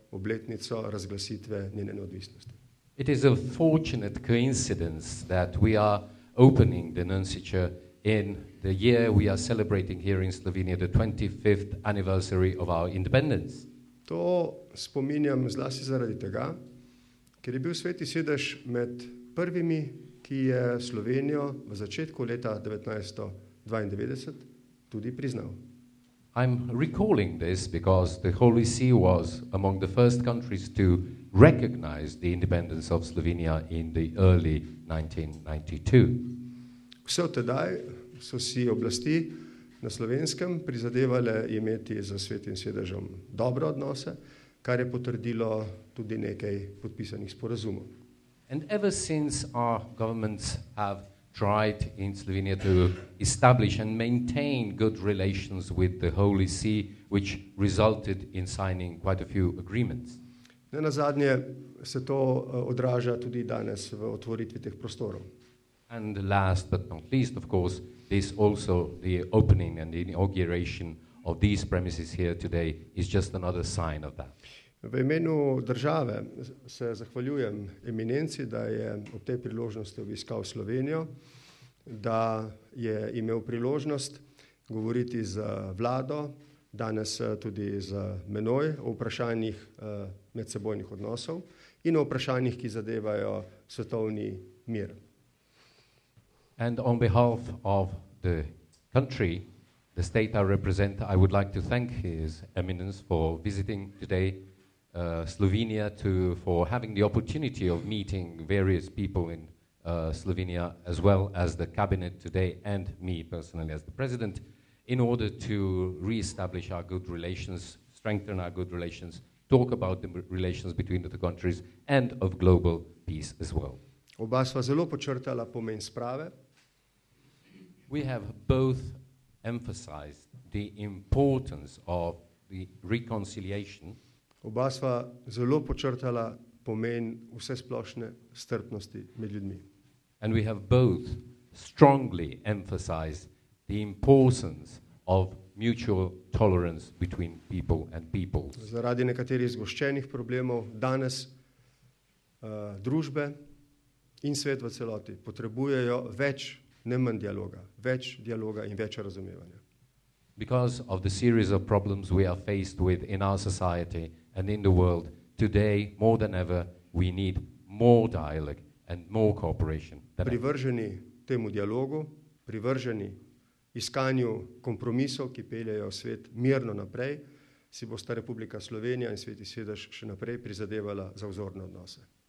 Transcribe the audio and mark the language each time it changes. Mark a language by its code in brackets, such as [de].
[sl] Obletnico razglasitve njene neodvisnosti. [en] It is a fortunate coincidence that we are opening the nunciature in the year we are celebrating here in Slovenia, the 25th anniversary of our independence. [sl] To spominjam zlasti zaradi tega, ker je bil Sveti sedež med prvimi, ki je Slovenijo v začetku leta 1992 tudi priznal. [en] I'm recalling this because the Holy See was among the first countries to recognize the independence of Slovenia in the early 1992. [sl] Vse od tedaj so si oblasti na Slovenskem prizadevale imeti za svetim sedežem dobre odnose, kar je potrdilo tudi nekaj podpisanih sporazumov. [en] And ever since our governments have tried in Slovenia to establish and maintain good relations with the Holy See, which resulted in signing quite a few agreements. [sl] Ne nazadnje se to odraža tudi danes v otvoritvi teh prostorov. [en] And last but not least, of course, this also the opening and the inauguration of these premises here today is just another sign of that. [sl] V imenu države se zahvaljujem eminenci, da je ob tej priložnosti obiskal Slovenijo, da je imel priložnost govoriti z vlado, danes tudi z menoj o vprašanjih medsebojnih odnosov in o vprašanjih, ki zadevajo svetovni mir. [en] And on behalf of the country, the state I represent, I would like to thank His Eminence for visiting today Slovenia, for having the opportunity of meeting various people in Slovenia, as well as the cabinet today, and me personally as the president, in order to re-establish our good relations, strengthen our good relations, talk about the relations between the two countries, and of global peace as well. [sl] Oba sva zelo počrtala pomen sprave. [en] We have both emphasized the importance of the reconciliation. [sl] Oba sva zelo počrtala pomen vse splošne strpnosti med ljudmi. [en] And we have both strongly emphasized the importance of mutual tolerance between people and peoples. [sl] Zaradi nekaterih zgoščenih problemov danes družbe in svet v celoti potrebujejo več ne manj dialoga, več dialoga in več razumevanja. [en] Because of the series of problems we are faced with in our society and in the world, today, more than ever, we need more dialogue and more cooperation. [sl] Privrženi temu dialogu, privrženi iskanju kompromisov, ki peljejo svet mirno naprej, si bosta Republika Slovenija in Sveti sedež še naprej prizadevala za vzorne odnose.